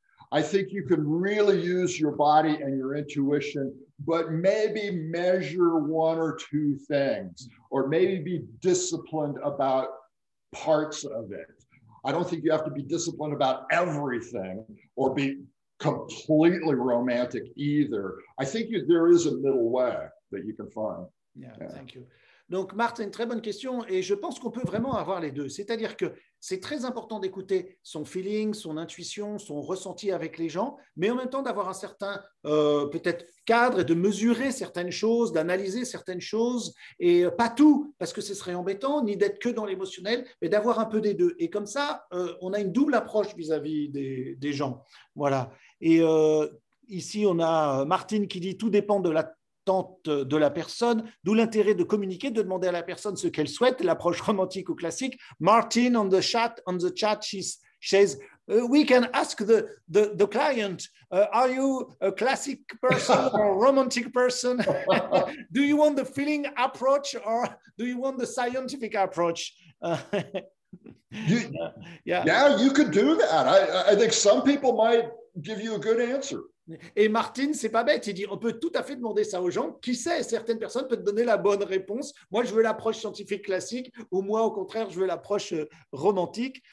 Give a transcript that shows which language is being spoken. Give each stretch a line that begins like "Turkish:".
English: I think you can really use your body and your intuition, but maybe measure one or two things, or maybe be disciplined about parts of it. I don't think you have to be disciplined about everything or be completely romantic either. I think there is a middle way that you can find. Yeah, thank you.
French: Donc, Marthe, une très bonne question et je pense qu'on peut vraiment avoir les deux. C'est-à-dire que c'est très important d'écouter son feeling, son intuition, son ressenti avec les gens, mais en même temps d'avoir un certain peut-être cadre et de mesurer certaines choses, d'analyser certaines choses et pas tout parce que ce serait embêtant, ni d'être que dans l'émotionnel, mais d'avoir un peu des deux. Et comme ça, on a une double approche vis-à-vis des gens. Voilà. Et ici, on a Martine qui dit « tout dépend de la tente de la personne », d'où l'intérêt de communiquer, de demander à la personne ce qu'elle souhaite, l'approche romantique ou classique.
English: Martin on the chat, she says, we can ask the client, are you a classic person or a romantic person? Do you want the feeling approach or do you want the scientific approach? you could do that. I think some people might give you a good answer.
French: Et Martine, c'est pas bête, il dit, on peut tout à fait demander ça aux gens. Qui sait, certaines personnes peuvent te donner la bonne réponse. Moi, je veux l'approche scientifique classique, ou moi, au contraire, je veux l'approche romantique.